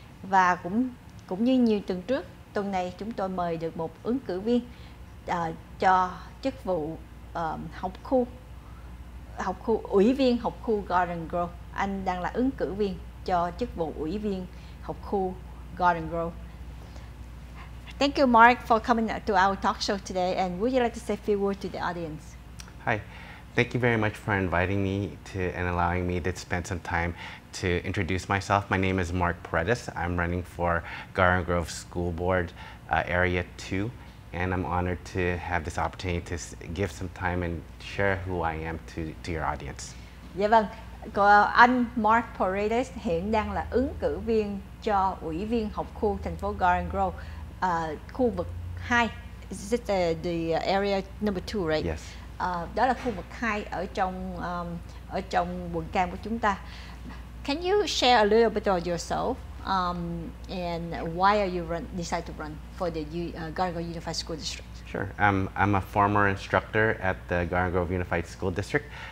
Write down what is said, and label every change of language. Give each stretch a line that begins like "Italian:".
Vietnamese: Và cũng như nhiều tuần trước, tuần này chúng tôi mời được một ứng cử viên cho chức vụ học khu ủy viên học khu Garden Grove. Anh đang là ứng cử viên cho chức vụ ủy viên học khu Garden Grove.
English: Thank you, Mark, for coming to our talk show today, and would you like to say a few words to the audience? Hi. Thank you very much for inviting me to and allowing me to spend some time to introduce myself. My name is Mark Paredes. I'm running for Garden Grove School Board Area 2, and I'm honored to have this opportunity to give some time and share who I am to your audience.
Vietnamese: Dạ vâng, anh Mark Paredes hiện đang là ứng cử viên cho ủy viên học khu thành phố Garden Grove, khu vực 2.
English: Is it the area number 2, right? Yes.
Vietnamese: Đó là khu vực 2 ở trong quận cam của chúng ta.
English: Can you share a little bit about yourself and why are you decide to run for the Garden Grove Unified School District? Sure. I'm a former instructor at the Garden Grove Unified School District.